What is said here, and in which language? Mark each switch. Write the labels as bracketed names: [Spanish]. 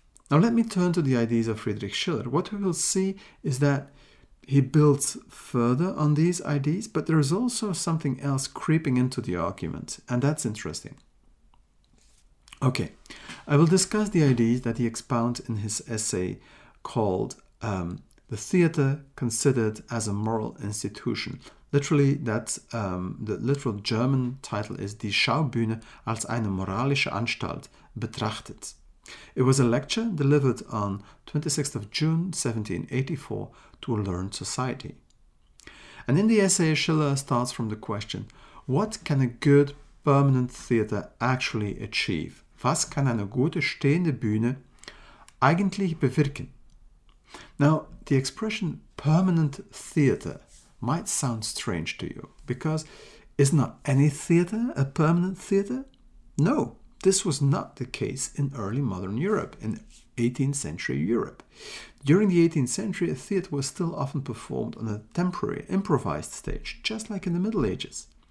[English] Now let me turn to the ideas of Friedrich Schiller. What we will see is that he builds further on these ideas, but there is also something else creeping into the argument, and that's interesting. Okay, I will discuss the ideas that he expounds in his essay called The Theatre Considered as a Moral Institution. Literally, that's the literal German title is Die Schaubühne als eine moralische Anstalt betrachtet. It was a lecture delivered on 26th of June 1784 to a learned society. And in the essay, Schiller starts from the question, what can a good permanent theatre actually achieve? [German] Was kann eine gute stehende Bühne eigentlich bewirken? [English] Now, the expression permanent theatre might sound strange to you, because is not any theatre a permanent theatre? No. This was not the case in early modern Europe, in 18th century Europe. During the 18th century, a theatre was still often performed on a temporary, improvised stage, just like in the Middle Ages.